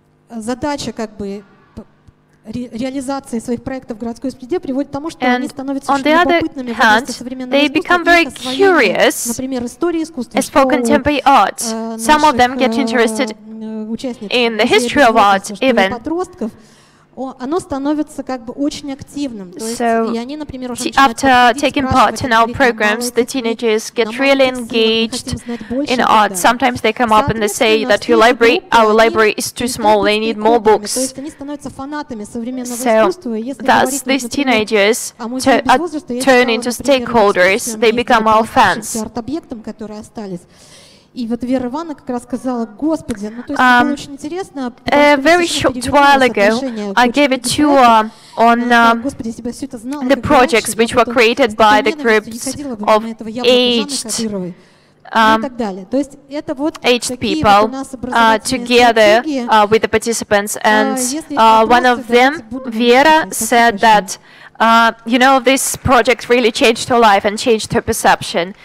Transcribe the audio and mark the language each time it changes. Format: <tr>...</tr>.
<ru>Задача, как бы, реализации своих проектов в городской среде приводит к тому, что они становятся очень любопытными в области современного искусства, например, истории искусства.</ru> <en>As for contemporary art, some of them get interested in the history of art, even.</en> <ru>оно становится как бы очень активным.</ru> <en>So,</en> <ru>они, например,</ru> <en>after taking part in our programs, the teenagers get really engaged in art. Sometimes they come up and they say that our library is too small, they need more books. So, thus these teenagers turn into stakeholders, they become our fans.</en> <ru>И вот Вера Ивановна как раз сказала, Господи, ну то есть это очень интересно.</ru> <en>A very short while ago, I gave a tour on the projects which were created by the groups of aged people together with the participants, and one of them, Vera, said that this project really changed her life and changed her perception.</en>